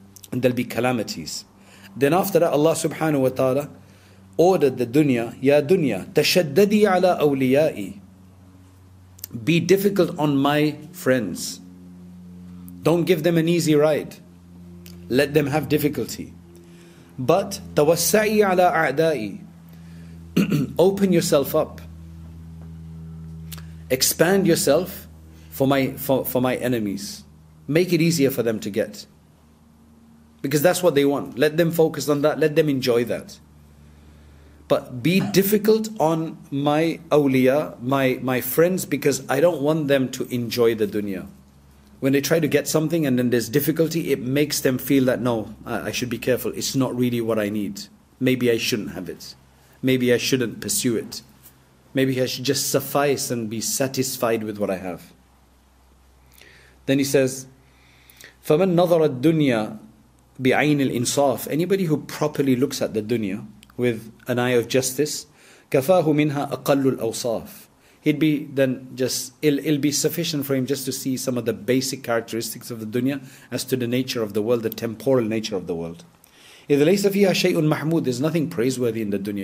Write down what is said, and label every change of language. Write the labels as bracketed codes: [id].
[en] And there'll be calamities. Then after that, Allah subhanahu wa ta'ala ordered the dunya, Ya dunya, [ar] تَشَدَّدِي عَلَىٰ أَوْلِيَائِي. [en] Be difficult on my friends. Don't give them an easy ride. Let them have difficulty. But [ar] تَوَسَّعِي عَلَىٰ أَعْدَائِي. [en] Open yourself up. Expand yourself for my enemies. Make it easier for them to get. Because that's what they want. Let them focus on that. Let them enjoy that. But be difficult on my awliya, my friends, because I don't want them to enjoy the dunya. When they try to get something and then there's difficulty, it makes them feel that, no, I should be careful. It's not really what I need. Maybe I shouldn't have it. Maybe I shouldn't pursue it. Maybe I should just suffice and be satisfied with what I have. Then he says, [ar] فَمَن نَظَرَ الدُّنْيَا بِعَيْنِ الْإِنصَافِ. [en] Anybody who properly looks at the dunya with an eye of justice, [ar] كَفَاهُ مِنْهَا أَقَلُّ الْأَوْصَافِ. [en] He'd be then just, it'll be sufficient for him just to see some of the basic characteristics of the dunya as to the nature of the world, the temporal nature of the world. [ar] إِذْ لَيْسَ فِيهَا شَيْءٌ مَحْمُودٌ. [en] There's nothing praiseworthy in the dunya.